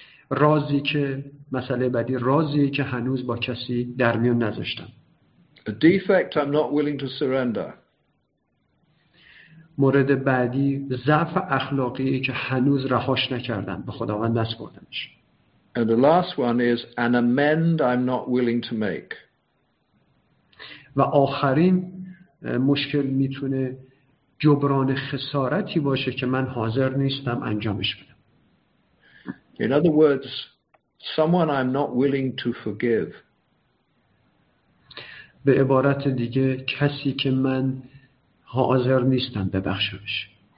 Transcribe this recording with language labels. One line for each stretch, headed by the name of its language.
Persian: رازی که مسئله بعدی رازی که هنوز با کسی در میون نذاشتم.
English: A defect I'm not willing to surrender.
Persian: مورد بعدی ضعف اخلاقی که هنوز رهاش نکردم، به خداوند دست بردمش.
English: And the last one is an amend I'm not willing to make.
Persian: و آخرین مشکل میتونه جبران خسارتی باشه که من حاضر نیستم انجامش بدم.
English: In other words, someone I'm not willing to forgive.
Persian: به عبارت دیگه کسی که من حاضر نیستم ببخشمش.